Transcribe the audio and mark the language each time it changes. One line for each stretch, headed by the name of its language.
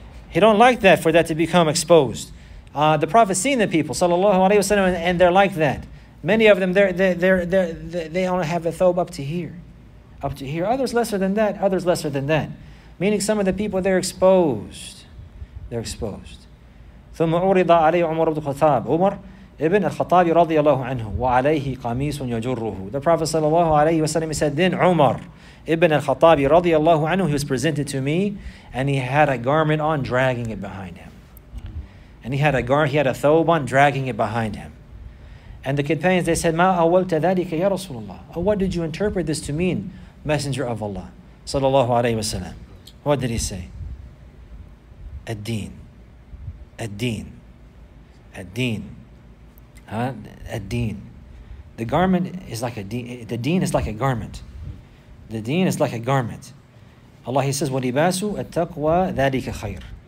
English: He don't like that for that to become exposed. The Prophet seen the people, sallallahu alayhi wa sallam, and they're like that. Many of them, they only have a thobe up to here. Up to here. Others lesser than that. Others lesser than that. Meaning some of the people, they're exposed. They're exposed.
Arabic: ثم عرض علي عمر بن الخطاب عمر ابن الخطاب رضي الله عنه وعليه قميص يجره.
English: The Prophet sallallahu alayhi wa sallam said, then Umar ibn al-Khattab
Arabic: رضي الله عنه,
English: he was presented to me and he had a garment on dragging it behind him. And he had a thobe on dragging it behind him. And the companions, they said,
Arabic: ما أولت ذلك يا رسول الله.
English: Oh, what did you interpret this to mean, Messenger of Allah sallallahu alayhi wa sallam? What did he say? Ad-deen. Ad-deen. Ad-deen. Ad-deen. The garment is like a deen. The deen is like a garment. The deen is like a garment. Allah, he says,
Arabic: وَلِبَاسُ التَّقْوَى ذَلِكَ خَيْرٌ.